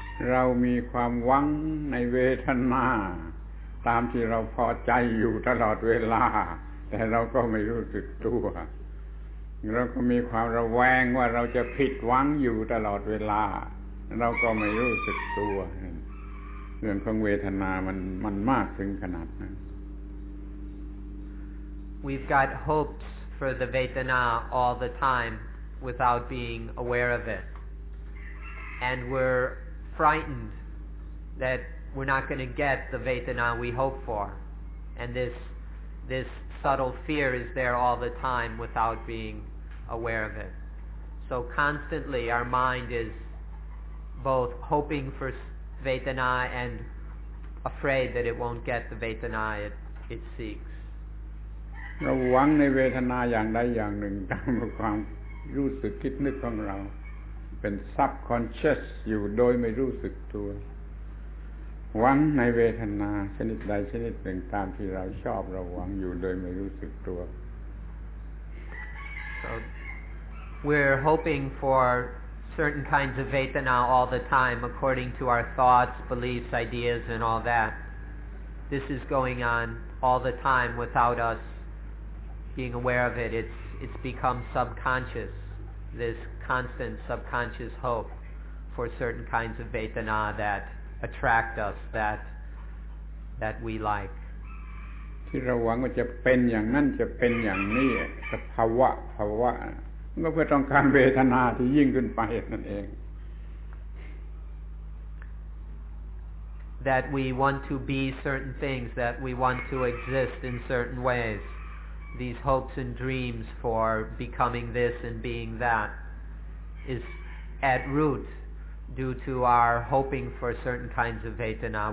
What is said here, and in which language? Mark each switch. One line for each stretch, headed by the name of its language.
Thai: เรามีความหวังในเวทนาตามที่เราพอใจอยู่ตลอดเวลาแต่เราก็ไม่รู้สึกตัวเราก็มีความระแวงว่าเราจะผิดหวังอยู่ตลอดเวลาเราก็ไม่รู้สึกตัวเรื่องของเวทนามันมากถึงขนาดนั้น
English: We've got hopesfor the vetana all the time without being aware of it. and we're frightened that we're not going to get the vedana we hope for. And this subtle fear is there all the time without being aware of it. So constantly our mind is both hoping for vedana and afraid that it won't get the vedana it seeks.
Thai: เราหวังในเวทนาอย่างใดอย่างหนึ่งตามความรู้สึกคิดนึกของเราเป็น subconscious อยู่โดยไม่รู้สึกตัวหวังในเวทนาชนิดใดชนิดหนึ่งตามที่เราชอบเราหวังอยู่โดยไม่รู้สึกตัว
English: So we're hoping for certain kinds of vedana all the time according to our thoughts, beliefs, ideas and all that. This is going on all the time without usBeing aware of it, it's become subconscious, this constant subconscious hope for certain kinds of vedana that attract us, that we like.
Thai: ที่เราหวังว่าจะเป็นอย่างนั้นจะเป็นอย่างนี้สภาวะภาวะก็เพื่อต้องการเวทนาที่ยิ่งขึ้นไปนั่นเอง
English: That we want to be certain things, that we want to exist in certain ways. These hopes and dreams for becoming this and being that is at root due to our hoping for certain kinds of vedana.